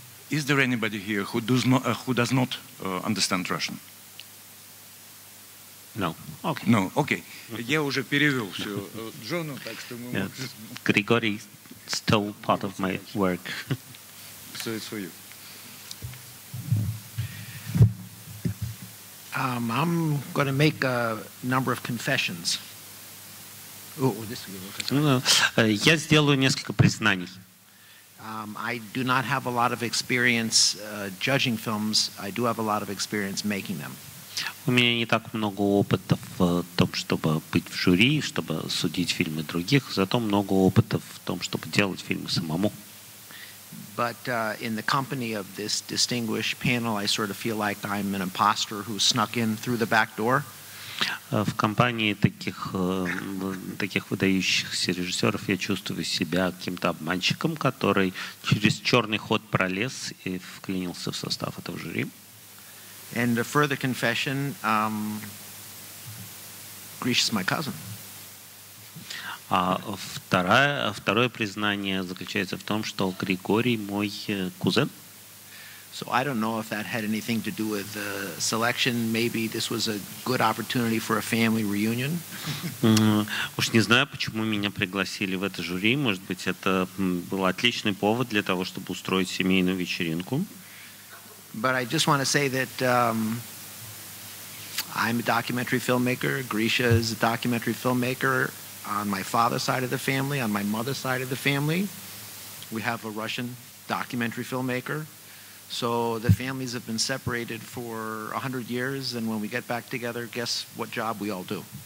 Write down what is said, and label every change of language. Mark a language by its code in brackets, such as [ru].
[en] Is there anybody here who does not understand Russian? No. Okay. No. Okay. [ru] Я уже перевел все Джону, так что мы. [en] Григорий stole part of my work. So it's for you. I'm going to make a number of confessions. [ru] Я сделаю несколько признаний. [en] I do not have a lot of experience judging films. I do have a lot of experience making them. [ru] У меня не так много опыта в том, чтобы быть в жюри, чтобы судить фильмы других, зато много опыта в том, чтобы делать фильмы самому. [en] But in the company of this distinguished panel, I sort of feel like I'm an imposter who snuck in through the back door. [ru] В компании таких выдающихся режиссеров я чувствую себя каким-то обманщиком, который через черный ход пролез и вклинился в состав этого жюри. [en] And a further confession, Grish is my cousin. [ru] А второе признание заключается в том, что Григорий мой кузен. [en] So I don't know if that had anything to do with the selection. Maybe this was a good opportunity for a family reunion. [ru] Уж не знаю, почему меня пригласили в это жюри. Может быть, это был отличный повод для того, чтобы устроить семейную вечеринку. [en] But I just want to say that I'm a documentary filmmaker. Grisha is a documentary filmmaker on my father's side of the family, on my mother's side of the family. We have a Russian documentary filmmaker. So the families have been separated for 100 years, and when we get back together, guess what job we all do?